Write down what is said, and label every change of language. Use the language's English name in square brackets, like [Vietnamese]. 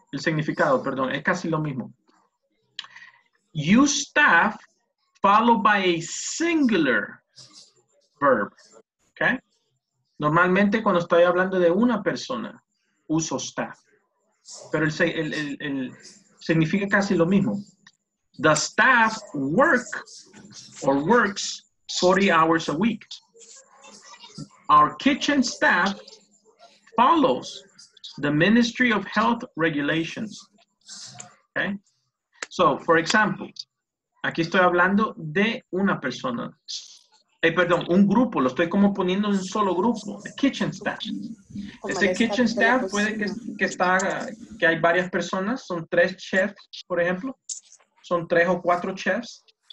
[Spanish] El significado, perdón, es casi lo mismo. [English] You staff followed by a singular verb. [Spanish] ¿Ok? Normalmente cuando estoy hablando de una persona, uso staff. Pero el significa casi lo mismo. [English] The staff work or works 40 hours a week. Our kitchen staff follows the Ministry of Health regulations. Okay? So, for example, [Spanish] aquí estoy hablando de una persona. Perdón, un grupo. Lo estoy como poniendo en un solo grupo. The kitchen staff. Ese kitchen staff puede que hay varias personas. Son tres chefs, por ejemplo. Son tres o cuatro chefs.